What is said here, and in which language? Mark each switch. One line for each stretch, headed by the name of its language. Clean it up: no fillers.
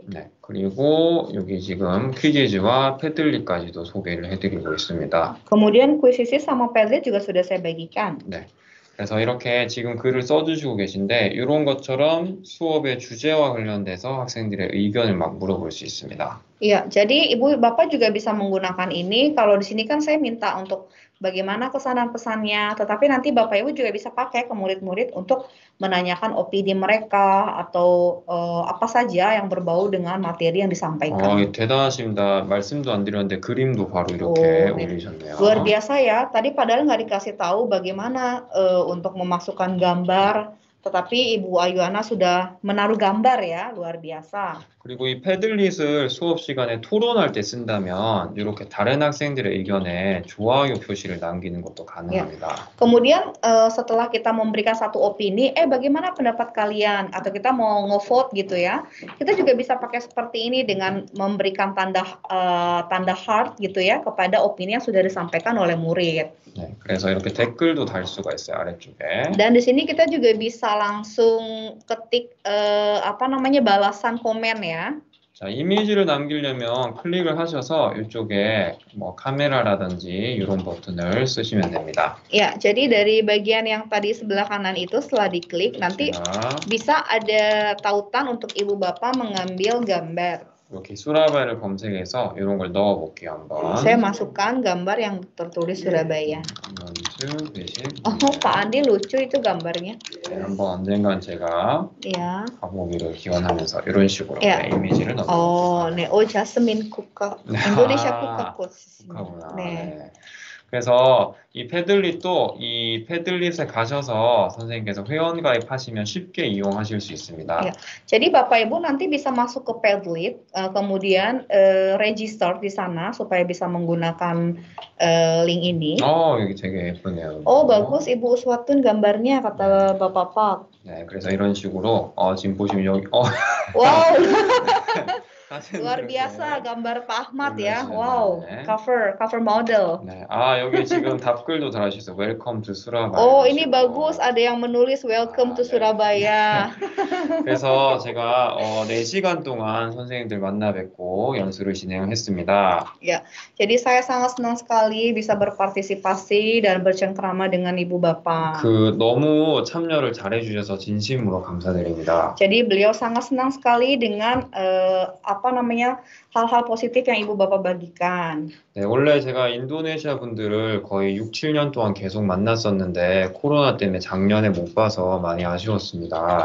Korean: 네. 그리고 여기 지금 퀴즈와 패들리까지도 소개를 해 드리고 있습니다.
Indonesian: Kemudian quizzes sama padlet juga sudah saya bagikan.
Korean: 네. 그래서 이렇게 지금 글을 써 주시고 계신데 이런 것처럼 수업의 주제와 관련돼서 학생들의 의견을 막 물어볼 수 있습니다.
Indonesian: Iya, jadi Ibu Bapak juga bisa menggunakan ini. Kalau di sini kan saya minta untuk bagaimana kesan dan pesannya, tetapi nanti Bapak Ibu juga bisa pakai ke murid-murid untuk menanyakan opini mereka atau apa saja yang berbau dengan materi yang disampaikan.
Korean: Oh, 대단하십니다. 말씀도 안 드렸는데 그림도 바로 이렇게 올리셨네요.
Indonesian: 네. Luar biasa ya. Tadi padahal nggak dikasih tahu bagaimana untuk memasukkan gambar. Tetapi Ibu Ayuana sudah menaruh gambar ya, luar biasa.
Korean: 그리고 이 패들릿을 수업 시간에 토론할 때 쓴다면 이렇게 다른 학생들의 의견에 좋아요 표시를 남기는 것도 가능합니다. Yeah.
Indonesian: Kemudian setelah kita memberikan satu opini, bagaimana pendapat kalian? Atau kita mau nge-vote gitu ya. Kita juga bisa pakai seperti ini dengan memberikan tanda tanda heart gitu ya kepada opini yang sudah disampaikan oleh murid.
Korean: 네, 그래서 이렇게 댓글도 달 수가 있어요, 아래쪽에.
Indonesian: Dan di sini kita juga bisa langsung ketik apa namanya balasan komen ya.
Korean: 자, 이미지를 남기려면 클릭을 하셔서 이쪽에 뭐 카메라라든지 이런 버튼을 쓰시면 됩니다.
Indonesian: Ya, jadi dari bagian yang tadi sebelah kanan itu setelah diklik nanti bisa ada tautan untuk Ibu Bapak mengambil gambar.
Korean: 이렇게 수라바이를 검색해서 이런 걸 넣어볼게요 한번.
Indonesian: Saya masukkan gambar yang tertulis Surabaya.
Korean: 연주 대신.
Indonesian: Oh, Pak Andi lucu itu gambarnya.
Korean: 네, 한번 언젠간 제가 yeah. 가보기를 기원하면서 이런 식으로 yeah. 네, 이미지를 넣어. 네, 오 자스민 국화. 인도네시아 국화 꽃. 국화구나. 네. 그래서 이 패들릿도 이 패들릿에 가셔서 선생님께서 회원 가입하시면 쉽게 이용하실 수 있습니다. Yeah.
Indonesian: Jadi Bapak Ibu nanti bisa masuk ke Padlet kemudian register di sana supaya bisa menggunakan link ini.
Korean: Oh, 여기 되게 예쁘네요.
Indonesian: 오, 뭐고스 이부 우스와툰 gambarnya kata Bapak Pak.
Korean: 네, 그래서 이런 식으로 지금 보시면 여기 와우.
Indonesian: Luar biasa gambar Pak Ahmad ya.
English: Wow, cover model.
Korean: 네. 아, 여기 지금 답글도 달아주셨어요.
English: Welcome to Surabaya.
Indonesian: 오, 이니 bagus. Ada yang menulis
English: welcome to Surabaya.
Korean: 그래서 제가 4시간 동안 선생님들 만나 뵙고 연수를 진행했습니다. 예. Yeah.
Indonesian: Jadi saya sangat senang sekali bisa berpartisipasi dan bercengkrama dengan Ibu Bapak.
Korean: 그 너무 참여를 잘해 주셔서 진심으로 감사드립니다.
Indonesian: Jadi beliau sangat senang sekali dengan apa namanya hal-hal positif yang ibu bapak bagikan.
Korean: 네, 원래 제가 인도네시아 분들을 거의 6, 7년 동안 계속 만났었는데 코로나 때문에 작년에 못 봐서 많이 아쉬웠습니다.